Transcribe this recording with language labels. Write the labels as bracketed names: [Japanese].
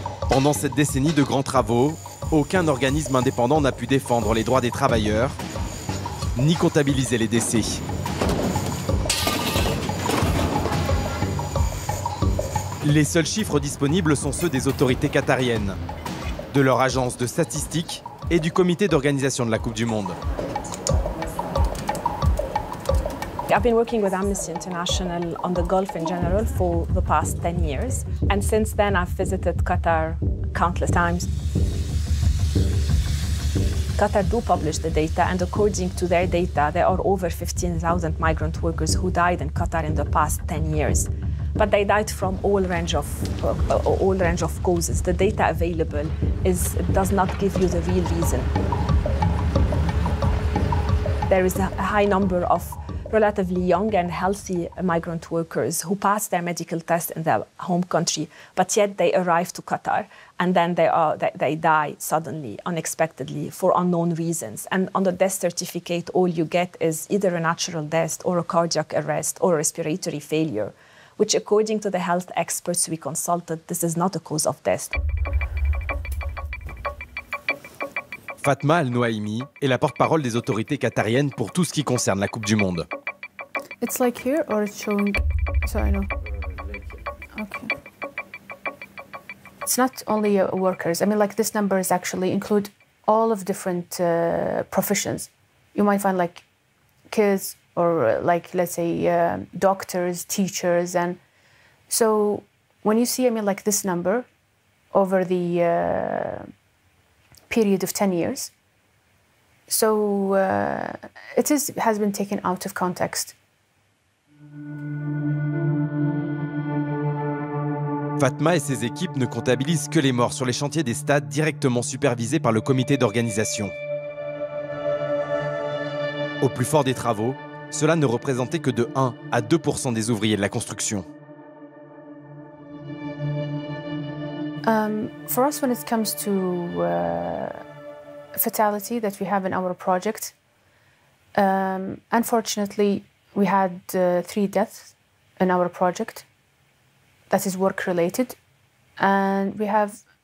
[French] Pendant cette décennie de grands travaux, aucun organisme indépendant n'a pu défendre les droits des travailleurs, ni comptabiliser les décès. Les seuls chiffres disponibles sont ceux des autorités qatariennes, de leur agence de statistiques et du comité d'organisation de la Coupe du Monde. [English] I've been working with Amnesty International on the Gulf in general for the past 10 years. And since then, I've visited Qatar countless times. Qatar do publish the data, and according to their data, there are over 15,000 migrant workers who died in Qatar in the past 10 years. But they died from all range of causes. The data available does not give you the real reason. There is a high number of relatively young and healthy migrant workers who pass their medical test in their home country, but yet they arrive to Qatar and then they die suddenly, unexpectedly, for unknown reasons. And on the death certificate, all you get is either a natural death or a cardiac arrest or a respiratory failure, which according to the health experts we consulted, this is not a cause of death. [French] Fatma Al-Nouaimi est la porte-parole des autorités qatariennes pour tout ce qui concerne la Coupe du Monde. [English] It's like here or it's showing... Sorry, no. Okay. It's not only workers. I mean, like this number is actually include all of different professions. You might find like kids or like, let's say, doctors, teachers. And so when you see, I mean, like this number over the... period of 10 years. So it has been taken out of context. [French] Fatma et ses équipes ne comptabilisent que les morts sur les chantiers des stades directement supervisés par le comité d'organisation. Au plus fort des travaux, cela ne représentait que de 1 à 2% des ouvriers de la construction. [English] For us, when it comes to fatality that we have in our project, unfortunately, we had 3 deaths in our project that is work-related, and we have